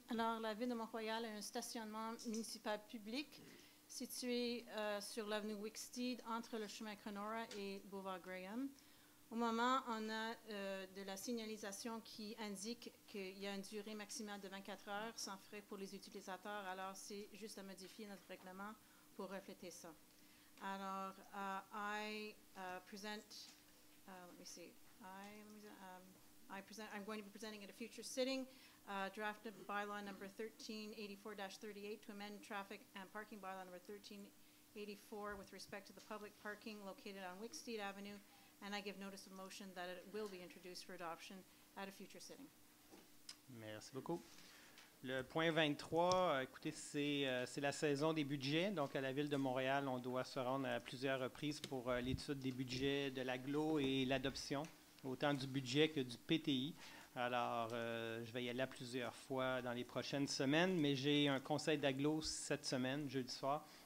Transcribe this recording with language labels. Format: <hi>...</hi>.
<fr>Alors, la Ville de Mont-Royal a un stationnement municipal public situé sur l'avenue Wicksteed, entre le chemin Cronora et Boulevard Graham. Au moment, on a de la signalisation qui indique qu'il y a une durée maximale de 24 heures sans frais pour les utilisateurs. Alors, c'est juste à modifier notre règlement pour refléter ça.</fr> <en>Alors, I'm going to be presenting at a future sitting draft of bylaw number 1384-38 to amend traffic and parking bylaw number 1384 with respect to the public parking located on Wicksteed Avenue. And I give notice of motion that it will be introduced for adoption at a future sitting.</en> <fr>Merci beaucoup. Le point 23, écoutez, c'est la saison des budgets. Donc, à la Ville de Montréal, on doit se rendre à plusieurs reprises pour l'étude des budgets de l'aglo et l'adoption, autant du budget que du PTI. Alors, je vais y aller plusieurs fois dans les prochaines semaines, mais j'ai un conseil d'aglo cette semaine, jeudi soir.</fr>